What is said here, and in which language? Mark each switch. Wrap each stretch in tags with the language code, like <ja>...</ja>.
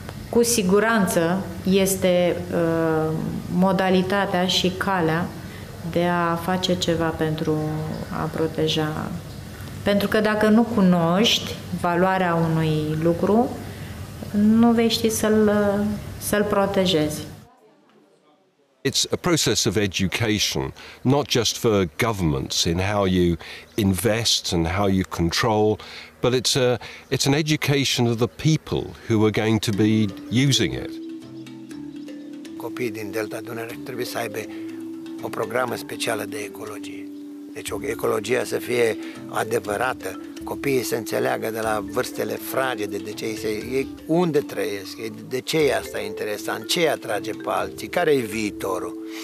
<ro>Cu siguranță este modalitatea și calea de a face ceva pentru a proteja. Pentru că dacă nu cunoști valoarea unui lucru, nu vei ști să-l protejezi.</ro> <en>It's a process of education, not just for governments in how you invest and how you control, but it's an education of the people who are going to be using it.</en> <ro>Copiii din Delta Dunăre trebuie să aibă o programă specială de ecologie. Deci ecologia să fie adevărată, copiii să înțeleagă de la vârstele fragede de ce ei unde trăiesc, de ce e asta interesant, ce atrage pe alții, care e viitorul.</ro>